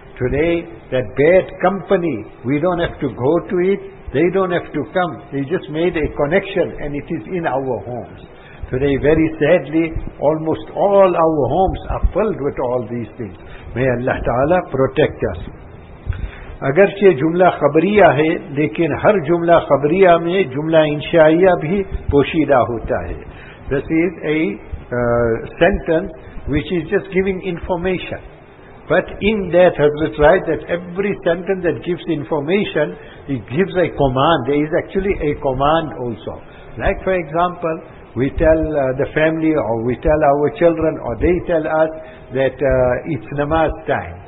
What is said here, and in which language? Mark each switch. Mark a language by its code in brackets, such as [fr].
[en] Today, that bad company, we don't have to go to it, they don't have to come. They just made a connection and it is in our homes. Today, very sadly, almost all our homes are filled with all these things. May Allah Ta'ala protect us. [ur] اگرچہ جملہ خبریہ ہے لیکن ہر جملہ خبریہ میں جملہ انشائیہ بھی پوشیدہ ہوتا ہے. [en] This is a sentence which is just giving information. But in that, Hazrat writes that every sentence that gives information, it gives a command. There is actually a command also. Like for example, we tell the family or we tell our children or they tell us that it's namaz time.